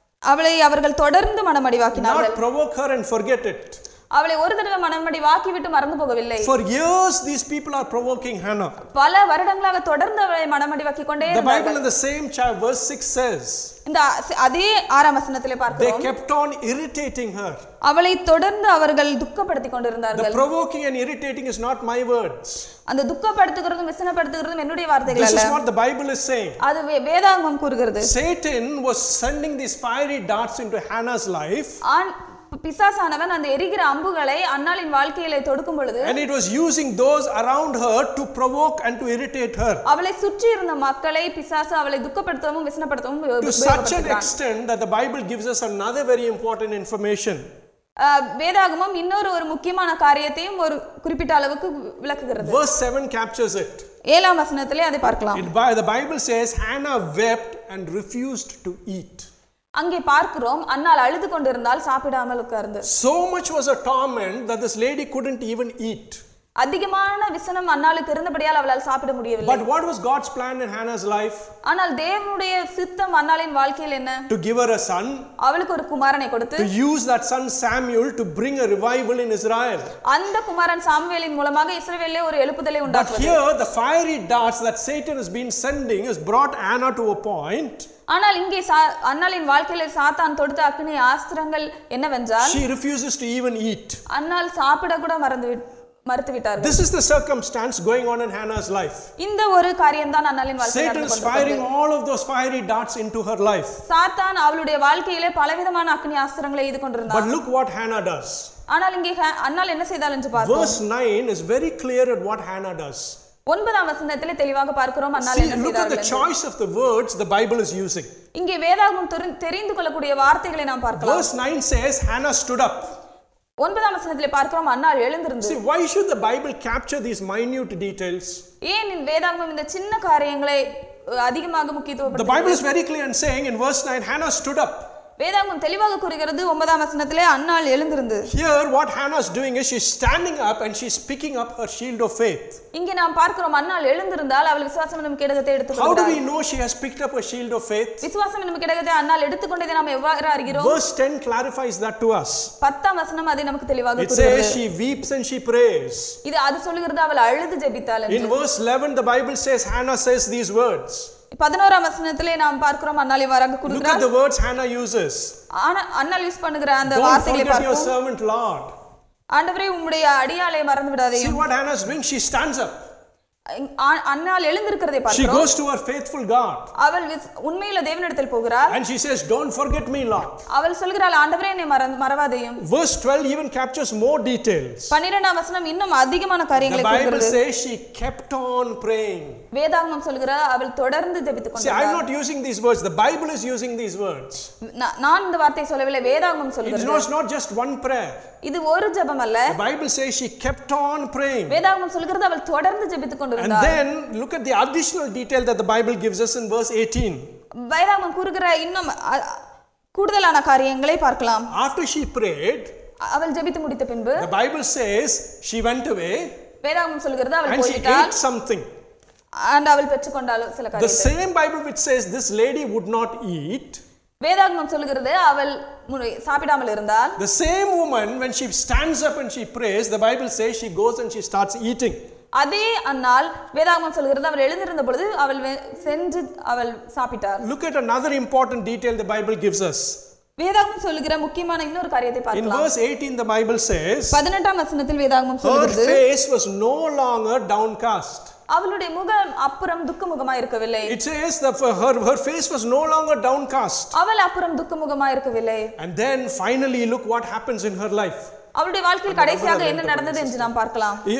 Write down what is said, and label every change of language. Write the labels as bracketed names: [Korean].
[Tamil] அவளை அவர்கள் தொடர்ந்து மனமடிவாக்கினார்கள் [English] not provoke her and forget it [Tamil] அவளை ஒரு தடவை மனமடிவாக்கி விட்டு மறந்து போகவில்லை [English] for years these people are provoking hannah [Tamil] பல வருடங்களாக தொடர்ந்து அவளை மனமடிவாக்கி கொண்டே இருந்தார்கள் [English] the bible in the same chapter verse 6 says [Tamil] அதே ஆறாம் வசனத்திலே பார்க்கிறோம் [English] they kept on irritating her [Tamil] அவளை தொடர்ந்து அவர்கள் துக்கப்படுத்தி கொண்டிருந்தார்கள் [English] the provoking and irritating is not my words [Tamil] அந்த துக்கப்படுத்துகிறது மிஸ்னப்படுத்துகிறது என்னுடைய வார்த்தைகள் அல்ல [English] this is what the bible is saying [Tamil] அது வேதாகமம் கூறுகிறது [English] satan was sending these fiery darts into hannah's life [Tamil] and பிசாசானவன் அந்த எரிகிற அம்புகளை அன்னாலின் வாழ்க்கையிலே தொடுக்கும் பொழுது [English] and it was using those around her to provoke and to irritate her [Tamil] அவளை சுற்றி இருந்த மக்களை பிசாசு அவளை துக்கப்படுத்தவும் விசனப்படுத்தவும் [English] to such an extent that the bible gives us another very important information [Tamil] வேதாகமம் இன்னொரு ஒரு முக்கியமான காரியத்தையும் ஒரு குறிப்பிட்ட அளவுக்கு விளக்குகிறது [English] verse 7 captures it [Tamil] ஏழாம் வசனத்திலே அதை பார்க்கலாம் [English] the bible says hannah wept and refused to eat [Tamil] அங்கே பார்க்கிறோம் அன்னால் அழுது கொண்டிருந்தால் சாப்பிடாமல் உட்கார்ந்து [English] so much was a torment that this lady couldn't even eat [Tamil] அதிகமான விசனம் அன்னாலுக்கு இருந்தபடியால் அவளால் சாப்பிட முடியவில்லை [English] but what was god's plan in hannah's life [Tamil] ஆனால் தேவனுடைய சித்தம் அன்னாளின் வாழ்க்கையில் என்ன [English] to give her a son [Tamil] அவளுக்கு ஒரு குமாரனை கொடுத்து [English] to use that son samuel to bring a revival in israel [Tamil] அந்த குமாரன் சாமுவேலின் மூலமாக இஸ்ரவேலிலே ஒரு எழுப்புதலை உண்டாக்குவது [English] but here the fiery darts that satan has been sending has brought anna to a point [Tamil] ஆனால் இங்கே அன்னாளின் வாழ்க்கையில் சாத்தான் தொடுத்த அக்னி ஆஸ்திரங்கள் என்னவென்றால் [English] she refuses to even eat [Tamil] அன்னால் சாப்பிட கூட மறுத்துவிட்டார்கள் [English] this is the circumstance going on in Hannah's life [Tamil] இந்த ஒரு காரியம்தான் அன்னாளின் வாழ்க்கையில் [English] Satan is firing all of those fiery darts into her life [Tamil] சாத்தான் அவளுடைய வாழ்க்கையிலே பலவிதமான அக்னி ஆஸ்திரங்களை எய்து கொண்டிருந்தான் [English] but look what Hannah does [Tamil] ஆனால் இங்கே அன்னாள் என்ன செய்தாள் என்று பார்ப்போம் [English] verse 9 is very clear at what Hannah does [Tamil] ஒன்பதாம் வசனத்தில் தெளிவாக பார்க்கிறோம் அன்னால் என்ன செய்தார்கள் [English] See, look at the choice of the words the Bible is using. [Tamil] இங்கே வேதாகமம் தெரிந்து கொள்ளக்கூடிய வார்த்தைகளை நாம் பார்க்கலாம். [English] Verse 9 says Hannah stood up. [Tamil] ஒன்பதாம் வசனத்தில் பார்க்கிறோம் அன்னால் எழுந்திருந்தது. [English] See, why should the Bible capture these minute details? [Tamil] ஏன் வேதாகமம் இந்த சின்ன காரியங்களை அதிகமாக முக்கியத்துவப்படுத்தி? [English] The Bible is very clear in saying in verse 9 Hannah stood up. [Tamil] வேதாகமம் தெளிவாக கூறுகிறது ஒன்பதாம் வசனத்திலே அன்னால் எழுந்திருந்து [English] Here what Hannah is doing is she is standing up and she is picking up her shield of faith. [Tamil] இங்கே நாம் பார்க்கிறோம் அன்னால் எழுந்திருந்தால் அவள் விசுவாசம் எனும் கேடகத்தை எடுத்துக்கொண்டாள். [English] How do we know she has picked up her shield of faith? [Tamil] விசுவாசம் எனும் கேடகத்தை அன்னால் எடுத்துக்கொண்டதை நாம் எவ்வாறு அறிகிறோம்? [English] Verse 10 clarifies that to us. [Tamil] 10 ஆம் வசனம் அதை நமக்கு தெளிவாக கூறுகிறது. [English] It says she weeps and she prays. [Tamil] இது அது சொல்கிறது அவள் அழுது ஜெபித்தாள் என்று. [English] In verse 11 the Bible says Hannah says these words. [Tamil] 11 ஆம் வசனத்திலே நாம் பார்க்கிறோம் அன்னால் இவ்வாறு கூறுகிறார் [English] Look at the words Hannah uses. [Tamil] அன்னால் use பண்ணுகிற அந்த வார்த்தைகளை பார்க்கவும் [English] Don't forget your servant Lord. [Tamil] ஆண்டவரே உம்முடைய அடியாளை மறந்து விடாதேயும் [English] See what Hannah is doing? She stands up. [Tamil] அன்னால் எழுந்திருக்கிறதை பார்க்கிறோம் [English] She goes to her faithful God. [Tamil] அவள் உண்மையிலே தேவனிடத்தில் போகிறாள் [English] And she says don't forget me Lord. [Tamil] அவள் சொல்கிறாள் ஆண்டவரே என்னை மறவாதேயும் [English] Verse 12 even captures more details. [Tamil] 12 ஆம் வசனம் இன்னும் அதிகமான காரியங்களை கூறுகிறது. [English] The Bible says she kept on praying. [Tamil] வேதாகமம் சொல்கிறது அவள் தொடர்ந்து ஜெபித்துக் கொண்டாள். [English] See I'm not using these words the Bible is using these words. [Tamil] நான் இந்த வார்த்தையை சொல்லவில்லை வேதாகமம் சொல்கிறது. [English] It's not just one prayer. [Tamil] இது ஒரு ஜெபம் அல்ல. [English] The Bible says she kept on praying. [Tamil] வேதாகமம் சொல்கிறது அவள் தொடர்ந்து ஜெபித்துக் [English] And then look at the additional detail that the Bible gives us in verse 18. [Tamil] வேதாகமம் கூறுகிற இன்னும் கூடுதலான காரியங்களை பார்க்கலாம். [English] After she prayed, [Tamil] அவள் ஜெபித்து முடித்த பின்பு [English] the Bible says she went away. [Tamil] வேதாகமம் சொல்கிறது அவள் போய்விட்டாள். [English] And she ate something. [Tamil] And அவள் பெற்றுக்கொண்டாள் சில காரியங்களை. [English] The same Bible which says this lady would not eat. [Tamil] வேதாகமம் சொல்கிறது அவள் சாப்பிடாமல் இருந்தாள். [English] The same woman when she stands up and she prays, the Bible says she goes and she starts eating. [Tamil] அதே அன்னால் வேதாகமம் சொல்கிறது அவள் எழுந்திருந்த பொழுது அவள் சென்று அவள் சாப்பிட்டார். [English] Look at another important detail the Bible gives us. [Tamil] வேதாகமம் சொல்கிற முக்கியமான இன்னொரு காரியத்தை பார்க்கலாம். [English] In verse 18 the Bible says [Tamil] 18ஆம் வசனத்தில் வேதாகமம் சொல்கிறது [English] Her face was no longer downcast. [Tamil] அவளுடைய முகம் அப்புறம் துக்கமுகமாய் இருக்கவில்லை. [English] It says that her face was no longer downcast. [Tamil] அவள் அப்புறம் துக்கமுகமாய் இருக்கவில்லை. [English] And then finally look what happens in her life. [Tamil] அவளுடைய வாழ்க்கையில் கடைசியாக என்ன நடந்தது என்று நாம் பார்க்கலாம்.